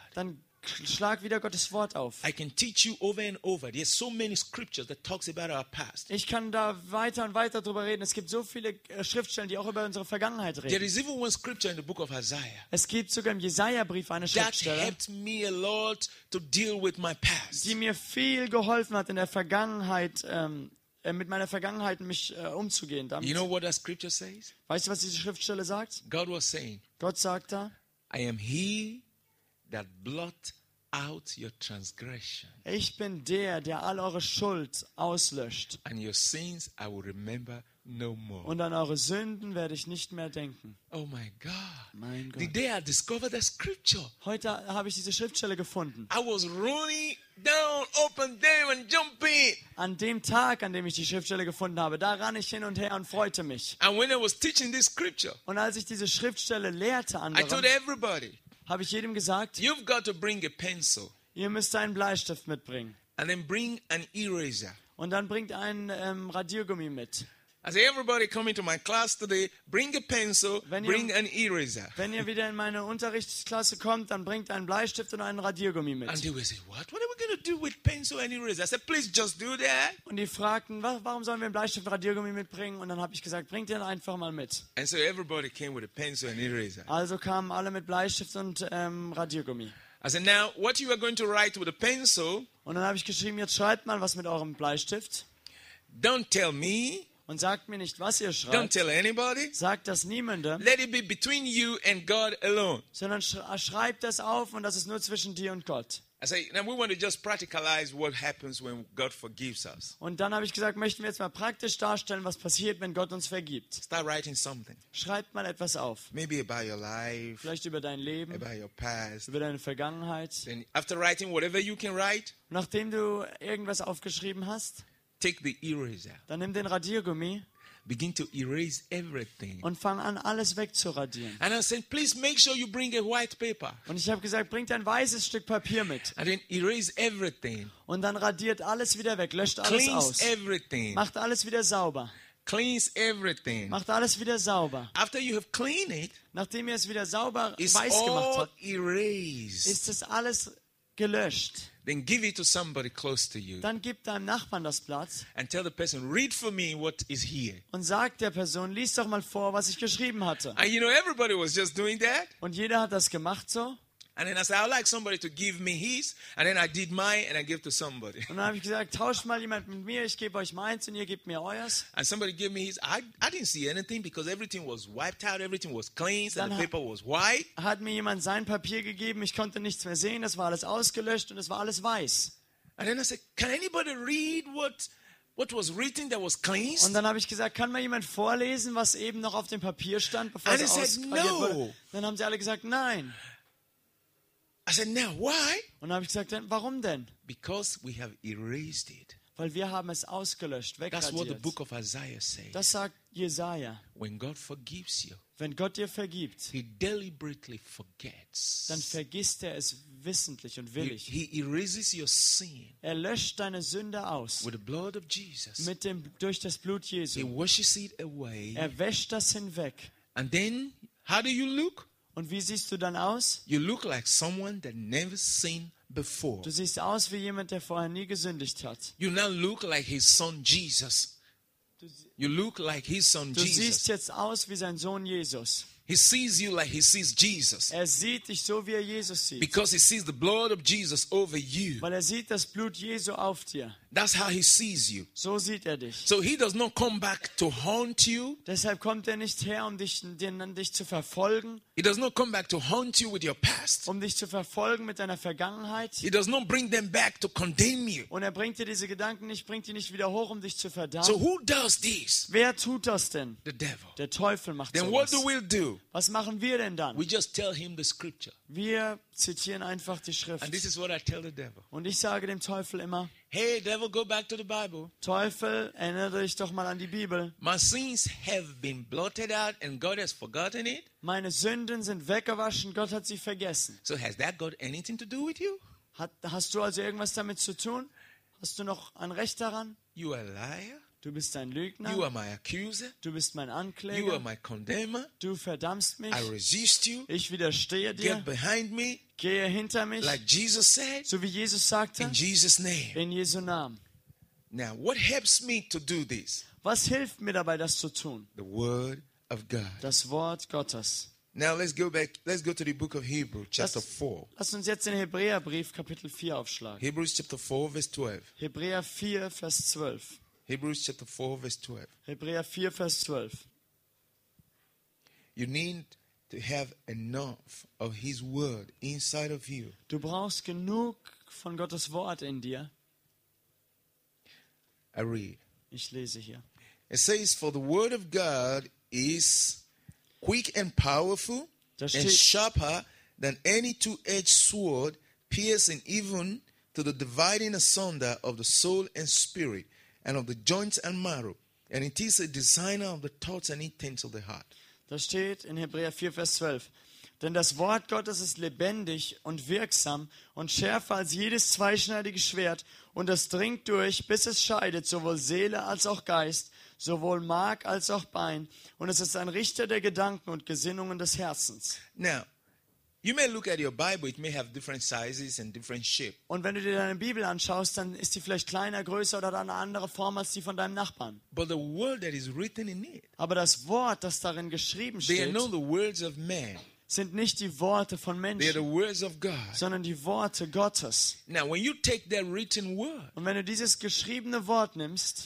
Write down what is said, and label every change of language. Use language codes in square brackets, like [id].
[de] Dann schlag wieder Gottes Wort auf. [en] I can teach you over and over. There's so many scriptures that talks about our past. [de] Ich kann da weiter und weiter drüber reden. Es gibt so viele Schriftstellen, die auch über unsere Vergangenheit reden. [en] There is even one scripture in the book of Isaiah. [de] Es gibt sogar im Jesaja-Brief eine Schriftstelle. [en] That helped me a lot to deal with my past. [de] Die mir viel geholfen hat in der Vergangenheit, mit meiner Vergangenheit mich umzugehen. Damit. [en] You know what that scripture says? [de] Weißt du, was diese Schriftstelle sagt? [en] God was saying. [de] Gott sagt da. [en] I am He that blot out your transgression. [de] Ich bin der all eure Schuld auslöscht. [en] And your sins I will remember no more. [de] Und an eure Sünden werde ich nicht mehr denken. [en] Oh my God. [de] Mein Gott. [en] The day I discovered that scripture. [de] Heute habe ich diese Schriftstelle gefunden. [en] I was running down open day and jumping. [de] An dem Tag, an dem ich die Schriftstelle gefunden habe, da ran ich hin und her und freute mich. [en] And when I was teaching this scripture. [de] Und als ich diese Schriftstelle lehrte anderen, [en] I told everybody. [de] Habe ich jedem gesagt, [en] you've got to bring a pencil. [de] Ihr müsst einen Bleistift mitbringen. [en] And then bring an eraser. [de] Und dann bringt einen Radiergummi mit. [en] As everybody coming to my class today, bring a pencil, bring an eraser. [de] Wenn ihr wieder in meine Unterrichtsklasse kommt, dann bringt einen Bleistift und einen Radiergummi mit. [en] And they would say, what? What are we going to do with pencil and eraser? I said, please just do that. [de] Und die fragten, warum sollen wir einen Bleistift und Radiergummi mitbringen? Und dann habe ich gesagt, bringt den einfach mal mit. [en] And so everybody came with a pencil and eraser. [de] Also kamen alle mit Bleistift und Radiergummi. [en] I said, now what you are going to write with a pencil? [de] Und dann habe ich geschrieben, jetzt schreibt mal was mit eurem Bleistift. [en] Don't tell me. [de] Und sagt mir nicht, was ihr schreibt. [en] Don't tell anybody. [de] Sagt das niemandem. [en] Let it be between you and God alone. [de] Sondern schreibt das auf und das ist nur zwischen dir und Gott. [en] I say, now we want to just practicalize what happens when God forgives us. [de] Und dann habe ich gesagt, möchten wir jetzt mal praktisch darstellen, was passiert, wenn Gott uns vergibt. [en] Start writing something. [de] Schreibt mal etwas auf. [en] Maybe about your life. [de] Vielleicht über dein Leben. [en] About your past. [de] Über deine Vergangenheit. [en] Then after writing whatever you can write. [de] Nachdem du irgendwas aufgeschrieben hast. [en] Take the eraser. [de] Dann nimm den Radiergummi. [en] Begin to erase everything. [de] Und fang an, alles wegzuradieren. [en] And I said, please make sure you bring a white paper. [de] Und ich habe gesagt, bring ein weißes Stück Papier mit. [en] And then erase everything. [de] Und dann radiert alles wieder weg, löscht alles [en] cleanse [de] aus. [en] Cleanse everything. [de] Macht alles wieder sauber. [en] Cleanse everything. [de] Macht alles wieder sauber. [en] After you have cleaned it, [de] nachdem ihr es wieder sauber weiß [en] all [de] gemacht habt, [en] erased. [de] Ist es alles gelöscht. [en] Then give it to somebody close to you. [de] Dann gib deinem Nachbarn das Blatt. [en] And tell the person, read for me what is here. [de] Und sag der Person, lies doch mal vor, was ich geschrieben hatte. [en] And you know everybody was just doing that. [de] Und jeder hat das gemacht so. [en] And then I said, I'd like somebody to give me his, and then I did mine and I give to somebody. [de] Und dann habe ich gesagt, tauscht mal jemand mit mir, ich gebe euch meins und ihr gebt mir euers. [en] And somebody gave me his. I didn't see anything because everything was wiped out, everything was cleansed and the paper was white. [de] Hat mir jemand sein Papier gegeben, ich konnte nichts mehr sehen, das war alles ausgelöscht und es war alles weiß. [en] And then I said, can anybody read what was written that was cleansed? [de] Und dann habe ich gesagt, kann mir jemand vorlesen, was eben noch auf dem Papier stand, bevor es ausgeradiert [en] no. [de] wurde? Dann haben sie alle gesagt, nein. [en] I said, now why? [de] Und dann habe ich gesagt, warum denn? [en] Because we have erased it. [de] Weil wir haben es ausgelöscht, wegradiert. [en] That's what the book of Isaiah says. [de] Das sagt Jesaja. [en] When God forgives you, [de] wenn Gott dir vergibt, [en] he deliberately forgets. [de] Dann vergisst er es wissentlich und willig. [en] He erases your sin. [de] Er löscht deine Sünde aus. [en] With the blood of Jesus. [de] Durch das Blut Jesu. [en] He washes it away. [de] Er wäscht das hinweg. [en] And then, how do you look? [de] Und wie siehst du dann aus? [en] You look like someone that never sinned before. [de] Du siehst aus wie jemand, der vorher nie gesündigt hat. [en] You now look like his son Jesus. You look like his son [de] du [en] Jesus. [de] Du siehst jetzt aus wie sein Sohn Jesus. [en] He sees you like he sees Jesus. [de] Er sieht dich so, wie er Jesus sieht. [en] Because he sees the blood of Jesus over you. [de] Weil er sieht das Blut Jesu auf dir. [en] That's how he sees you. [de] So sieht er dich. [en] So he does not come back to haunt you. [de] Deshalb kommt er nicht her, um dich zu verfolgen. [en] He does not come back to haunt you with your past. [de] Um dich zu verfolgen mit deiner Vergangenheit. [en] He does not bring them back to condemn you. [de] Und er bringt dir diese Gedanken nicht, bringt die nicht wieder hoch, um dich zu verdammen. [en] So who does this? [de] Wer tut das denn? [en] The devil. [de] Der Teufel macht [en] then [de] sowas. [en] Then what do we do? [de] Was machen wir denn dann? [en] We just tell him the scripture. [de] Wir zitieren einfach die Schrift. [en] And this is what I tell the devil. [de] Und ich sage dem Teufel immer: [en] Hey devil, go back to the Bible. [de] Teufel, erinnere dich doch mal an die Bibel. [en] My sins have been blotted out and God has forgotten it. [de] Meine Sünden sind weggewaschen, Gott hat sie vergessen. [en] So has that got anything to do with you? [de] Hast du also irgendwas damit zu tun? Hast du noch ein Recht daran? [en] You are a liar. [de] Du bist ein Lügner. [en] You are my accuser. [de] Du bist mein Ankläger. [en] You are my condemner. [de] Du verdammst mich. [en] I resist you. [de] Ich widerstehe dir. [en] Get behind me. [de] Gehe hinter mich. [en] Like Jesus said. [de] So wie Jesus sagte. [en] In Jesus name. [de] In Jesu Namen. [en] Now, what helps me to do this? [de] Was hilft mir dabei, das zu tun? [en] The word of God. [de] Das Wort Gottes. [en] Now let's go to the book of Hebrews chapter 4. [de] Lass uns jetzt den Hebräerbrief Kapitel 4 aufschlagen. [en] Hebrews chapter 4 verse 12. [de] Hebräer 4 Vers 12. [en] Hebrews chapter 4 verse 12. [de] Hebräer 4 Vers 12. [en] You need to have enough of his word inside of you. [de] Du brauchst genug von Gottes Wort in dir. [en] I read. [de] Ich lese hier. [en] It says, for the word of God is quick and powerful and sharper than any two-edged sword, piercing even to the dividing asunder of the soul and spirit, and of the joints and marrow, and it is a designer of the thoughts and intents of the heart. [de] Da steht in Hebräer 4, Vers 12, denn das Wort Gottes ist lebendig und wirksam und schärfer als jedes zweischneidige Schwert, und es dringt durch, bis es scheidet, sowohl Seele als auch Geist, sowohl Mark als auch Bein, und es ist ein Richter der Gedanken und Gesinnungen des Herzens. [en] Now, you may look at your Bible, it may have different sizes and different shape. [de] Und wenn du dir deine Bibel anschaust, dann ist die vielleicht kleiner, größer oder eine andere Form als die von deinem Nachbarn. [en] But the word that is written in it. [de] Aber das Wort, das darin geschrieben steht. [en] They are not the words of man. [de] Sind nicht die Worte von Menschen. [en] They are the words of God. [de] Sondern die Worte Gottes. [en] Now when you take that written word. [de] Und wenn du dieses geschriebene Wort nimmst.